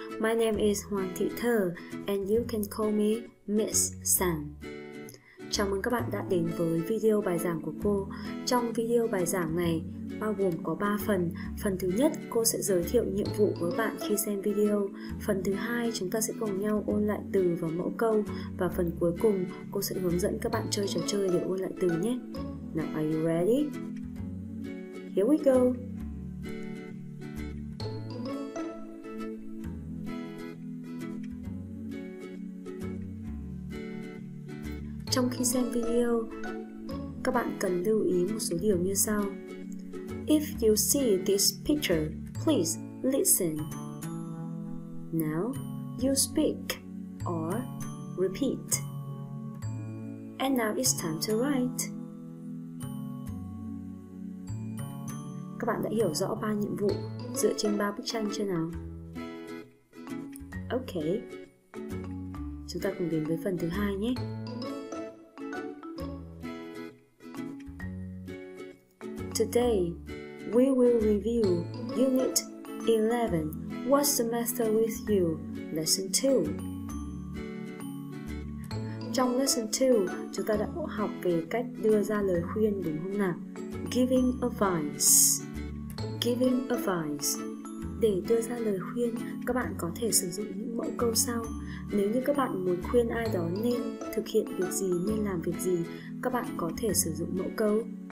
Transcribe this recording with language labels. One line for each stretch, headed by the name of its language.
English: My name is Hoàng Thị Thơ and you can call me Miss San.
Vietnamese: Chào mừng các bạn đã đến với video bài giảng của cô. Trong video bài giảng này bao gồm có 3 phần. Phần thứ nhất, cô sẽ giới thiệu nhiệm vụ với bạn khi xem video. Phần thứ hai, chúng ta sẽ cùng nhau ôn lại từ và mẫu câu. Và phần cuối cùng, cô sẽ hướng dẫn các bạn chơi trò chơi để ôn lại từ nhé.
English: Now are you ready? Here we go!
Vietnamese: Trong khi xem video, các bạn cần lưu ý một số điều như sau.
English: If you see this picture, please listen. Now, you speak or repeat. And now it's time to write.
Vietnamese: Các bạn đã hiểu rõ 3 nhiệm vụ dựa trên 3 bức tranh chưa nào? Ok, chúng ta cùng đến với phần thứ 2 nhé.
English: Today, we will review Unit 11, What's the Matter With You, Lesson 2.
Vietnamese: Trong Lesson 2, chúng ta đã học về cách đưa ra lời khuyên đúng không nào?
English: Giving advice. Giving advice.
Vietnamese: Để đưa ra lời khuyên, các bạn có thể sử dụng những mẫu câu sau. Nếu như các bạn muốn khuyên ai đó nên thực hiện việc gì, nên làm việc gì, các bạn có thể sử dụng mẫu câu.